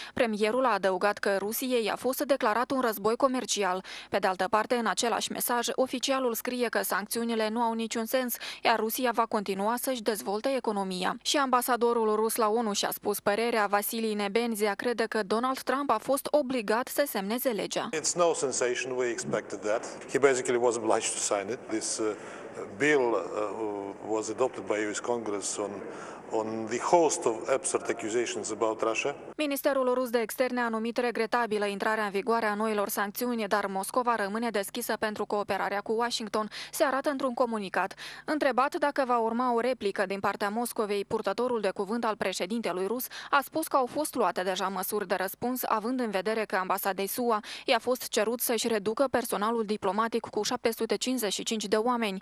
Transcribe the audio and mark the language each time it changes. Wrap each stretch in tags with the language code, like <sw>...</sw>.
<ro>Premierul a adăugat că Rusiei a fost declarat un război comercial. Pe de altă parte, în același mesaj, oficialul scrie că sancțiunile nu au niciun sens, iar Rusia va continua să-și dezvolte economia. Și ambasadorul rus la ONU și-a spus părerea, Vasilii Nebenzia, crede că Donald Trump a fost obligat să semneze legea.</ro> <en>It's no sensation, we expected that. He basically was obliged to sign it. This bill was adopted by US Congress on the host of absurd accusations about Russia.</en> <ro>Ministerul rus de externe a numit regretabilă intrarea în vigoare a noilor sancțiuni, dar Moscova rămâne deschisă pentru cooperarea cu Washington, se arată într-un comunicat. Întrebat dacă va urma o replică din partea Moscovei, purtătorul de cuvânt al președintelui rus a spus că au fost luate deja măsuri de răspuns, având în vedere că ambasadei SUA i-a fost cerut să-și reducă personalul diplomatic cu 755 de oameni.</ro>